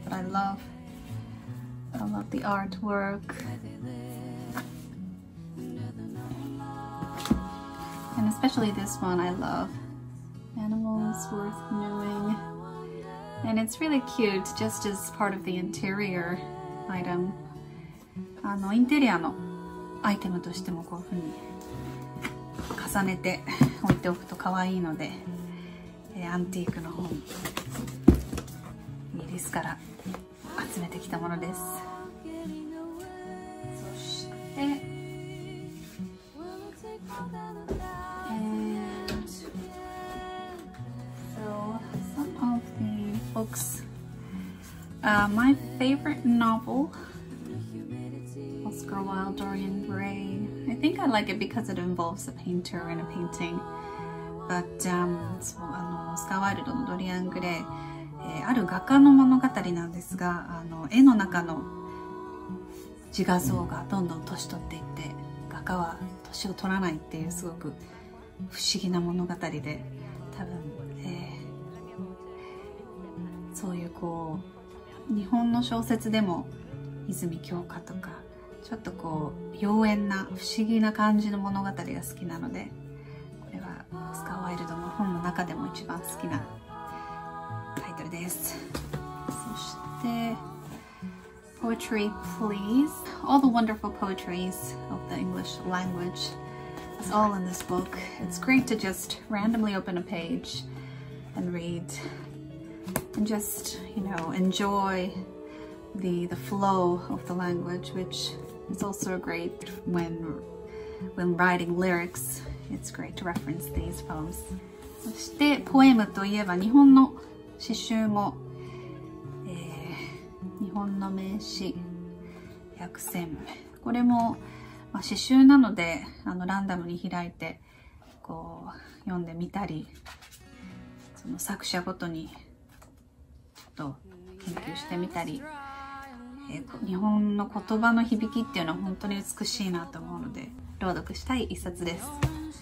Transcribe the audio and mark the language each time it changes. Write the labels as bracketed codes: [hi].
[en] But I love the artwork. And especially this one, I love. Animals Worth Knowing. And it's really cute, just as part of the interior item. [ja] インテリアのアイテムとしてもこういうふうに重ねて置いておくと可愛いので、アンティークの本イギリスから集めてきたものです。そして、 [en] and so some of the books. My favorite novel, Oscar Wilde, Dorian Gray. I think I like it because it involves a painter and a painting. [ja] But, Oscar Wilde の Dorian Gray、ある画家の物語なんですが、絵の中の自画像がどんどん年取っていって、画家は年を取らないっていうすごく不思議な物語で、多分、そういうこう日本の小説でも泉鏡花とかちょっとこう妖艶な不思議な感じの物語が好きなので、これはオスカー・ワイルドの本の中でも一番好きなタイトルです。そして [en] Poetry Please, All the Wonderful Poetries of the English Language is all in this book. It's great to just randomly open a page and readAnd just, you know, enjoy the flow of the language, which is also great when writing lyrics. It's great to reference these poems. [ja] そしてポエムといえば日本の詩集も、日本の名詩百選、これも、まあ、詩集なのでランダムに開いてこう読んでみたり、その作者ごとにと研究してみたり、日本の言葉の響きっていうのは本当に美しいなと思うので朗読したい一冊です。